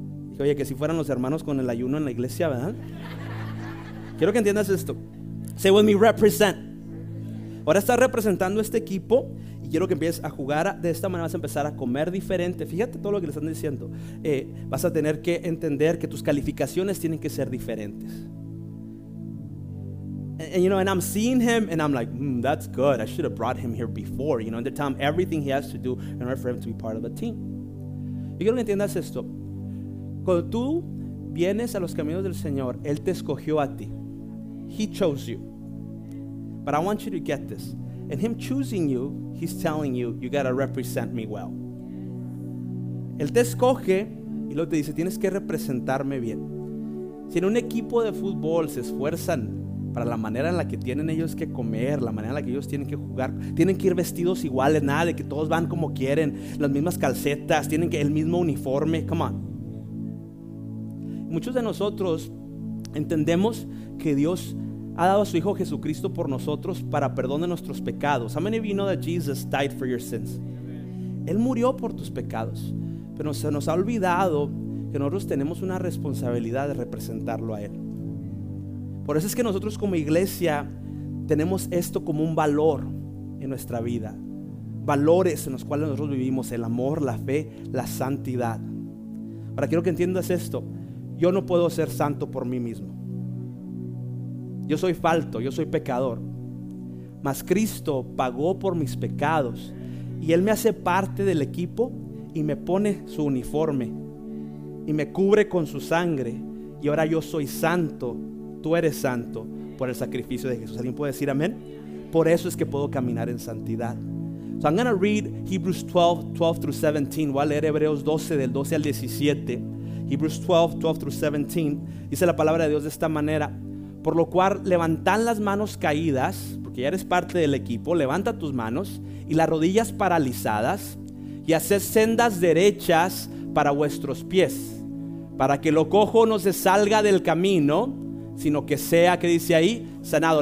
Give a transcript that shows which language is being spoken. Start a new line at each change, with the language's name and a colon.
Spanish: Dije, oye, que si fueran los hermanos con el ayuno en la iglesia, ¿verdad? Quiero que entiendas esto.
English: Say with me, represent.
Spanish: Ahora estás representando este equipo y quiero que empieces a jugar de esta manera. Vas a empezar a comer diferente. Fíjate todo lo que le están diciendo. Vas a tener que entender que tus calificaciones tienen que ser diferentes.
English: And I'm seeing him and I'm like, that's good. I should have brought him here before. You know, and they tell him everything he has to do in order for him to be part of the team.
Spanish: Yo quiero que entiendas esto. Cuando tú vienes a los caminos del Señor, Él te escogió a ti.
English: He chose you. But I want you to get this. In Him choosing you, He's telling you, you got to represent me well.
Spanish: Él te escoge y luego te dice, tienes que representarme bien. Si en un equipo de fútbol se esfuerzan para la manera en la que tienen ellos que comer, la manera en la que ellos tienen que jugar, tienen que ir vestidos iguales, nada de que todos van como quieren, las mismas calcetas, tienen que el mismo uniforme,
English: come on.
Spanish: Muchos de nosotros entendemos que Dios ha dado a su Hijo Jesucristo por nosotros para perdón de nuestros pecados.
English: How many of you know that Jesus died for your sins? Amen.
Spanish: Él murió por tus pecados, pero se nos ha olvidado que nosotros tenemos una responsabilidad de representarlo a Él. Por eso es que nosotros como iglesia tenemos esto como un valor en nuestra vida. Valores en los cuales nosotros vivimos: el amor, la fe, la santidad. Ahora quiero que entiendas esto. Yo no puedo ser santo por mí mismo. Yo soy falto, yo soy pecador. Mas Cristo pagó por mis pecados y Él me hace parte del equipo y me pone su uniforme y me cubre con su sangre. Y ahora yo soy santo, tú eres santo por el sacrificio de Jesús. ¿Alguien puede decir amén? Por eso es que puedo caminar en santidad.
English: So I'm going to read Hebrews 12:12-17.
Spanish: Voy a leer Hebreos 12 del 12 al 17.
English: Hebrews 12:12-17.
Spanish: Dice la palabra de Dios de esta manera: por lo cual levantan las manos caídas, porque ya eres parte del equipo, levanta tus manos, y las rodillas paralizadas, y haced sendas derechas para vuestros pies, para que lo cojo no se salga del camino, sino que sea, que dice ahí, sanado.